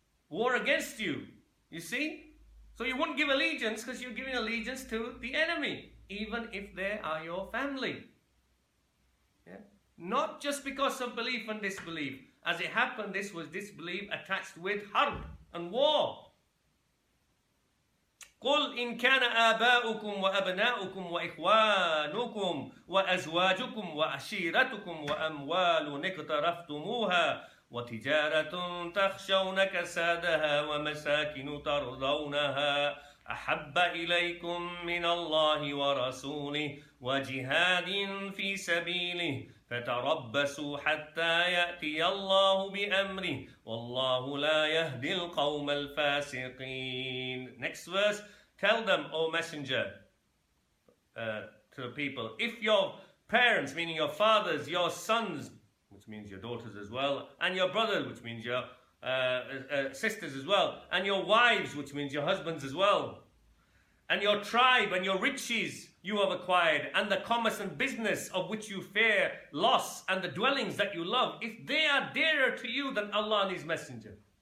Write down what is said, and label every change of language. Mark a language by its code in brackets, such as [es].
[en] War against you, you see? So you wouldn't give allegiance because you're giving allegiance to the enemy, even if they are your family. Yeah? Not just because of belief and disbelief. As it happened, this was disbelief attached with harb and war. [ar] قُلْ إِنْ كَانَ آبَاؤُكُمْ وَأَبْنَاؤُكُمْ وَإِخْوَانُكُمْ وَأَزْوَاجُكُمْ وَأَشِيرَتُكُمْ وَأَمْوَالٌ اقْتَرَفْتُمُوهَا وتجارة تخشون كسادها ومساكن ترضونها أحب إليكم من الله ورسوله وجهاد في سبيله فتربصوا حتى يأتي الله بأمره والله لا يهدي القوم الفاسقين. [en] Next verse. Tell them, O messenger, to the people, if your parents, meaning your fathers, your sons, which means your daughters as well, and your brothers, which means your sisters as well, and your wives, which means your husbands as well, and your tribe and your riches you have acquired, and the commerce and business of which you fear loss, and the dwellings that you love, if they are dearer to you than Allah and His Messenger.